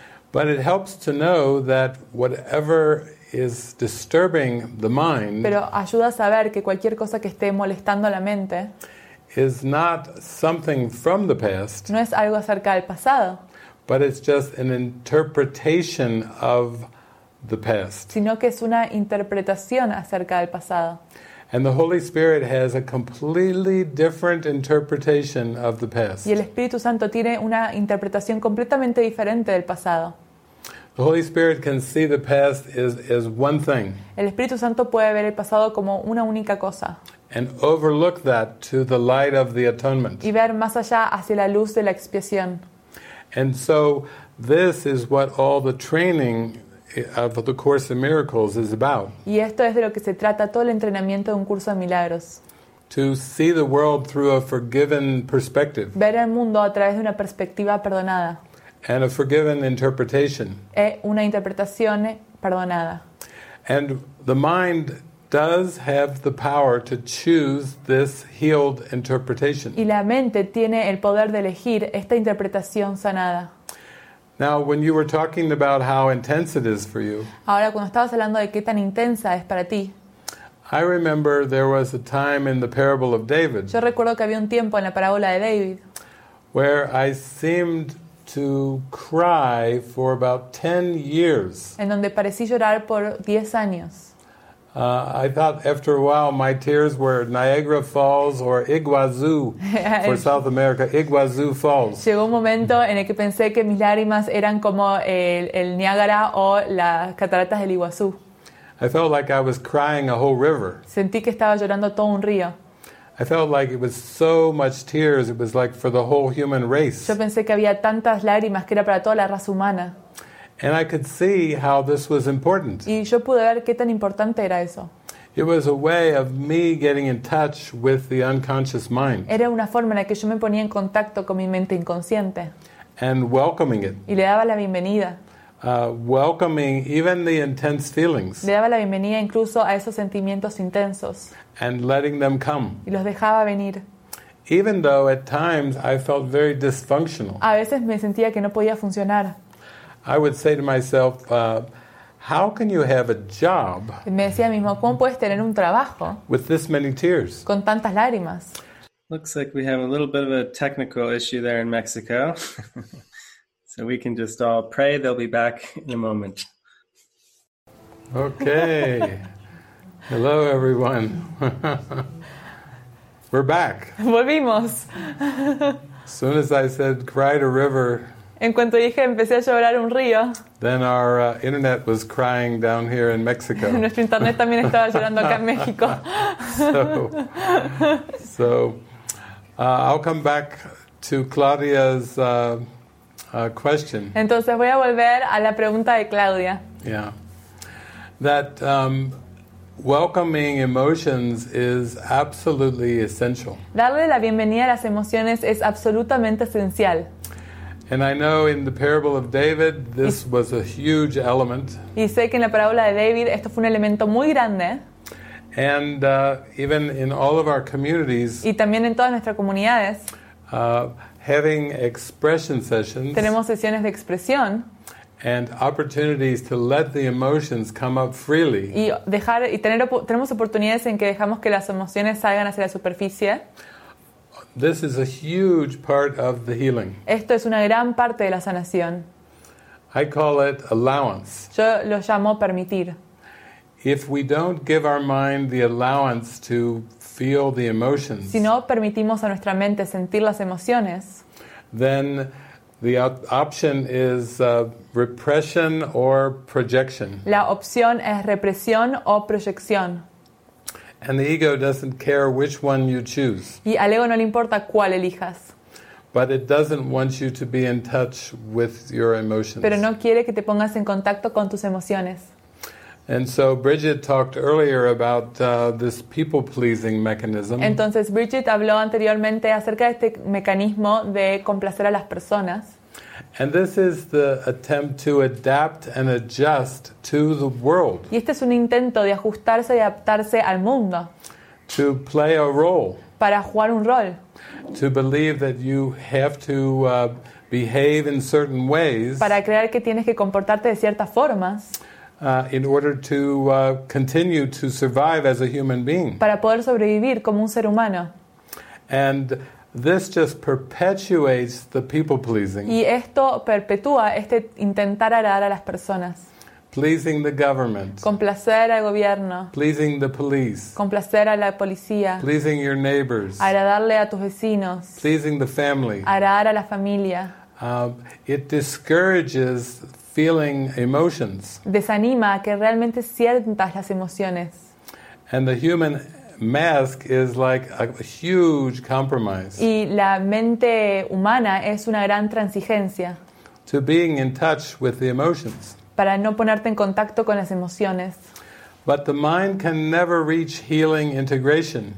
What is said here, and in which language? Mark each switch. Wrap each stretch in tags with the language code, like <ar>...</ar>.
<en>But it helps to know that whatever is disturbing the mind.</en> <es>Pero ayuda a saber que cualquier cosa que esté molestando la mente.</es> <en>Is not something from the past.</en> <es>No es algo acerca del pasado.</es> <en>But it's just an interpretation of the past.</en> <es>Sino que es una interpretación acerca del pasado.</es> <en>And the Holy Spirit has a completely different interpretation of the past.</en> <es>Y el Espíritu Santo tiene una interpretación completamente diferente del pasado.</es> <en>The Holy Spirit can see the past as one thing.</en> <es>El Espíritu Santo puede ver el pasado como una única cosa.</es> <en>And overlook that to the light of the atonement.</en> <es>Y ver más allá hacia la luz de la expiación.</es> <en>And so this is what all the training of the Course in Miracles is about.</en> <es>Y esto es de lo que se trata todo el entrenamiento de un curso de milagros.</es> <en>To see the world through a forgiven perspective.</en> <es>Ver el mundo a través de una perspectiva perdonada.</es> <en>And a forgiven interpretation.</en> <es>Y una interpretación perdonada.</es> <en>And the mind does have the power to choose this healed interpretation.</en> <es>Y la mente tiene el poder de elegir esta interpretación sanada.</es> <en>Now, when you were talking about how intense it is for you,</en> <es>ahora, cuando estabas hablando de qué tan intensa es para ti,</es> <en>I remember there was a time in the parable of David.</en> <es>Yo recuerdo que había un tiempo en la parábola de David,</es> <en>where I seemed to cry for about 10 years.</en> <es>En donde parecí llorar por 10 años.</es> <en>I thought after a while my tears were Niagara Falls or Iguazú for South America. Iguazú Falls.</en> <es>Llegó un momento en el que pensé que mis lágrimas eran como el Niágara o las cataratas del Iguazú.</es> <en>I felt like I was crying a whole river.</en> <es>Sentí que estaba llorando todo un río.</es> <en>I felt like it was so much tears, it was like for the whole human race.</en> <es>Yo pensé que había tantas lágrimas que era para toda la raza humana.</es> <en>And I could see how this was important.</en> <es>Y yo pude ver qué tan importante era eso.</es> <en>It was a way of me getting in touch with the unconscious mind.</en> <es>Era una forma en la que yo me ponía en contacto con mi mente inconsciente.</es> <en>And welcoming it.</en> <es>Y le daba la bienvenida.</es> <en>Welcoming even the intense feelings.</en> <es>Le daba la bienvenida incluso a esos sentimientos intensos.</es> <en>And letting them come.</en> <es>Y los dejaba venir.</es> <en>Even though at times I felt very dysfunctional.</en> <es>A veces me sentía que no podía funcionar.</es> <en>I would say to myself, how can you have a job?</en> <es>Me decía a mí mismo, ¿cómo puedes tener un trabajo?</es> <en>With this many tears.</en> <es>Con tantas lágrimas.</es> <en>Looks like we have a little bit of a technical issue there in Mexico. So we can just all pray they'll be back in a moment. Okay. Hello, everyone. We're back.</en> <es>Volvimos.</es> <en>As soon as I said, cried a river.</en> <es>En cuanto dije, empecé a llorar un río.</es> <en>Then our internet was crying down here in Mexico.</en> <es>Nuestro internet también estaba llorando acá en México.</es> <en>I'll come back to Claudia's question.</en> <es>Entonces voy a volver a la pregunta de Claudia.</es> <en>Yeah. That welcoming emotions is absolutely essential.</en> <es>Darle la bienvenida a las emociones es absolutamente esencial.</es> <en>And I know in the parable of David, this was a huge element.</en> <es>Y sé que en la parábola de David esto fue un elemento muy grande.</es> <en>And even in all of our communities.</en> <es>Y también en todas nuestras comunidades.</es> <en>Having expression sessions.</en> <es>Tenemos sesiones de expresión.</es> <en>And opportunities to let the emotions come up freely.</en> <es>Y dejar y tener tenemos oportunidades en que dejamos que las emociones salgan hacia la superficie.</es> <en>This is a huge part of the healing.</en> <es>Esto es una gran parte de la sanación.</es> <en>I call it allowance.</en> <es>Yo lo llamo permitir.</es> <en>If we don't give our mind the allowance to feel the emotions,</en> <es>si no permitimos a nuestra mente sentir las emociones,</es> <en>then the option is repression or projection.</en> <es>La opción es represión o proyección.</es> <en>And the ego doesn't care which one you choose.</en> <es>Y al ego no le importa cuál elijas.</es> <en>But it doesn't want you to be in touch with your emotions.</en> <es>Pero no quiere que te pongas en contacto con tus emociones.</es> <en>And so Bridget talked earlier about this people-pleasing mechanism.</en> <es>Entonces Bridget habló anteriormente acerca de este mecanismo de complacer a las personas.</es> <en>And this is the attempt to adapt and adjust to the world.</en> <es>Y este es un intento de ajustarse y adaptarse al mundo.</es> <en>To play a role.</en> <es>Para jugar un rol.</es> <en>To believe that you have to behave in certain ways.</en> <es>Para creer que tienes que comportarte de ciertas formas.</es> <en>In order to continue to survive as a human being.</en> <es>Para poder sobrevivir como un ser humano.</es> <en>And this just perpetuates the people pleasing.</en> <es>Y esto perpetúa este intentar agradar a las personas.</es> <en>Pleasing the government.</en> <es>Complacer al gobierno.</es> <en>Pleasing the police.</en> <es>Complacer a la policía.</es> <en>Pleasing your neighbors.</en> <es>Agradarle a tus vecinos.</es> <en>Pleasing the family.</en> <es>Agradar a la familia.</es> <en>It discourages feeling emotions.</en> <es>Desanima que realmente sientas las emociones.</es> <en>And the human mask is like a huge compromise.</en> <es>Y la mente humana es una gran transigencia.</es> <en>To being in touch with the emotions.</en> <es>Para no ponerte en contacto con las emociones.</es> <en>But the mind can never reach healing integration.</en>